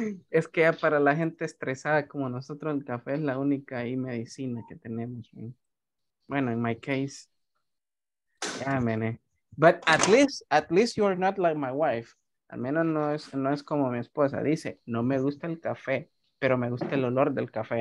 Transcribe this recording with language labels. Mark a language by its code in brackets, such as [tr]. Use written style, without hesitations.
[es] Es que para la gente estresada como nosotros, el café es la única y medicina que tenemos. [en] Man. Bueno, in my case, yeah, man. But at least you are not like my wife. [es] Al menos no es como mi esposa. Dice, no me gusta el café, pero me gusta el olor del café.